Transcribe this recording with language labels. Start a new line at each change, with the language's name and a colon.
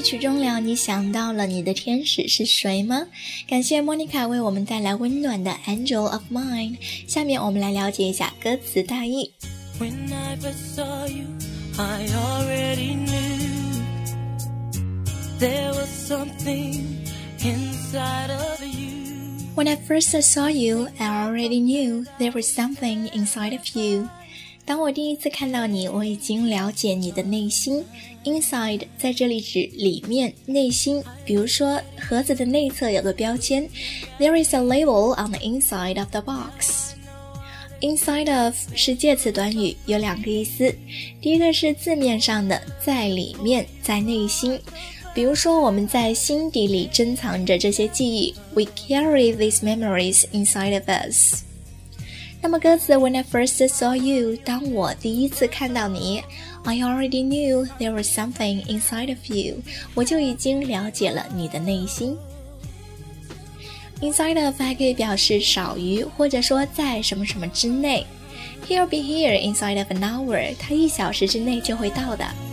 Chinese: 曲终了，你想到了你的天使是谁吗？感谢 Monica 为我们带来温暖的 Angel of Mine。下面我们来了解一下歌词大意。
English: When I first saw you I already knew There was something inside of you。 When I first saw you, I already knew there was something inside of you.
Chinese: 当我第一次看到你，我已经了解你的内心。 Inside 在这里指里面、内心。比如说，盒子的内侧有个标签。
English: There is a label on the inside of the box.
Chinese: Inside of 是介词短语，有两个意思。第一个是字面上的，在里面，在内心。比如说，我们在心底里珍藏着这些记忆。
English: We carry these memories inside of us.
Chinese: 那么歌词
English: When I first saw you,
Chinese: 当我第一次看到你，
English: I already knew there was something inside of you.
Chinese: 我就已经了解了你的内心。 Inside of 还可以表示少于，或者说在什么什么之内。
English: He'll be here inside of an hour.
Chinese: 他一小时之内就会到的。